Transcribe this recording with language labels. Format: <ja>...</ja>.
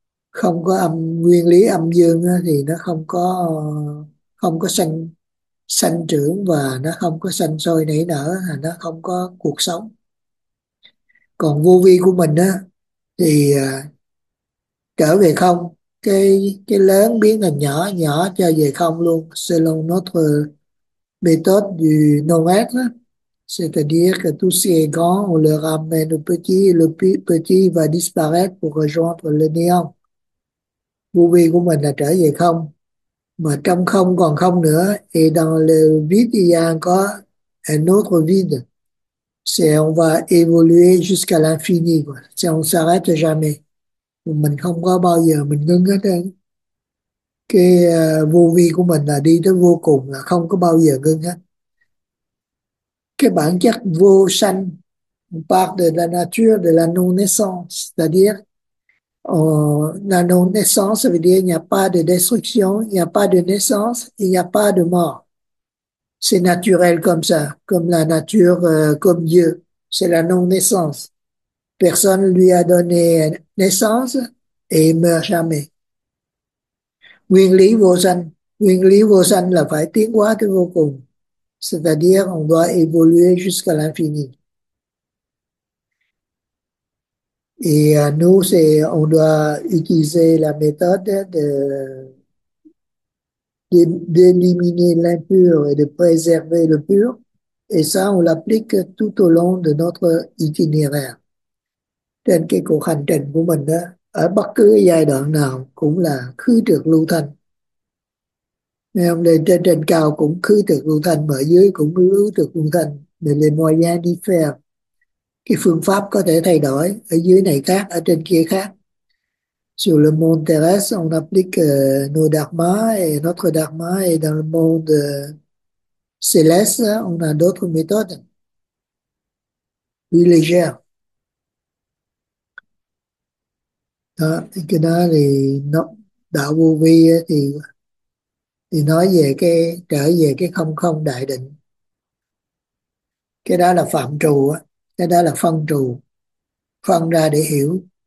<vi>Không có nguyên lý âm dương thì nó không có sanh sanh trưởng, và nó không có sanh sôi nảy nở, là nó không có cuộc sống. Còn vô vi của mình á thì trở về không, cái lớn biến thành nhỏ, nhỏ trở về không luôn.</vi> <fr>Selon notre méthode du nomade, c'est-à-dire que tout ce qui est grand, on le ramène au petit, et le petit va disparaître pour rejoindre le néant.</fr> <vi>Vô vi của mình là trở về không, mà trong không còn không nữa.</vi> <fr>Et dans le vide, có un autre vide. C'est on va évoluer jusqu'à l'infini, quoi. C'est on s'arrête jamais.</fr> <vi>Mình không có bao giờ mình ngưng hết trơn. Cái vô vi của mình là đi tới vô cùng, là không có bao giờ ngưng hết. Cái bản chất vô sanh,</vi> <fr>part de la nature, de la non-naissance, c'est-à-dire la non-naissance, ça veut dire il n'y a pas de destruction, il n'y a pas de naissance, il n'y a pas de mort. C'est naturel comme ça, comme la nature, comme Dieu. C'est la non-naissance. Personne lui a donné naissance et il meurt jamais.</fr> <vi>Nguyên lý vô sanh. Nguyên lý vô sanh là phải tiến hóa tới vô cùng.</vi> <fr>C'est-à-dire, on doit évoluer jusqu'à l'infini. Et nous, c'est, on doit utiliser la méthode d'éliminer l'impur et de préserver le pur. Et ça, on l'applique tout au long de notre itinéraire.</fr> <vi>Trên cái cuộc hành trình của mình đó, ở bất cứ giai đoạn nào cũng là khứ trược lưu thanh. Nên ông lên trên trên cao cũng khứ trược lưu thanh, mà ở dưới cũng khứ trược lưu thanh. Mình lên</vi> <fr>moyen différent.</fr> <vi>Cái phương pháp có thể thay đổi, ở dưới này khác, ở trên kia khác.</vi> <fr>Sur le monde terrestre, on applique nos dharmas et notre dharma, et dans le monde céleste, on a d'autres méthodes plus légères.</fr> <vi>Đó, thì cái đó thì nó, đạo vô vi thì nói về cái trở về cái không không đại định. Cái đó là phạm trù á, cái đó là phân trù, phân ra để hiểu.</vi>